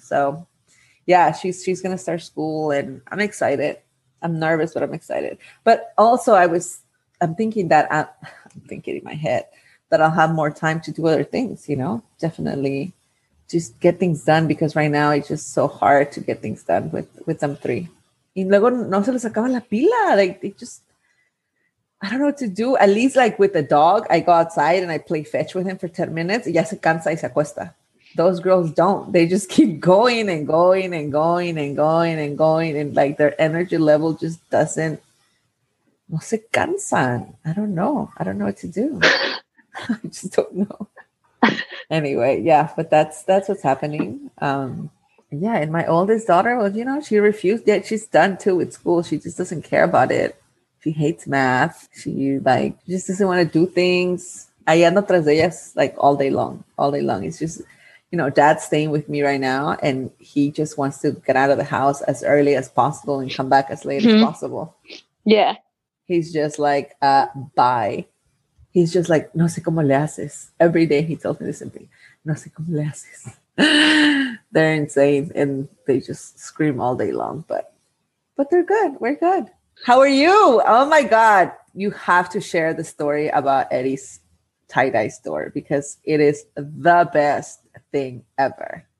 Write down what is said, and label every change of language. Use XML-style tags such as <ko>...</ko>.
<en>So yeah, she's going to start school and I'm excited. I'm nervous, but I'm excited. But also I'm thinking in my head that I'll have more time to do other things, you know, definitely just get things done, because right now it's just so hard to get things done with them three.</en> <es>Y luego no se les acaba la pila.</es> <en>Like, they just, I don't know what to do. At least, like, with the dog, I go outside and I play fetch with him for 10 minutes.</en> <es>Y ya se cansa y se acuesta.</es> <en>Those girls don't. They just keep going and going and going and going and going. And, like, their energy level just doesn't.</en> <es>No se cansan.</es> <en>I don't know. I don't know what to do. I just don't know. Anyway, yeah, but that's what's happening. Yeah, and my oldest daughter, well, you know, she refused. Yeah, she's done too with school. She just doesn't care about it. She hates math. She, like, just doesn't want to do things. I</en> <es>ando tras ellas,</es> <en>like, all day long. All day long. It's just, you know, dad's staying with me right now, and he just wants to get out of the house as early as possible and come back as late as possible. Yeah. He's just like, bye. He's just like,</en> <es>no sé cómo le haces.</es> <en>Every day he tells me the same thing.</en> <es>No sé cómo le haces.</es> <en>They're insane, and they just scream all day long, but they're good. We're good. How are you? Oh my God. You have to share the story about Eddie's tie-dye store, because it is the best thing ever.</en>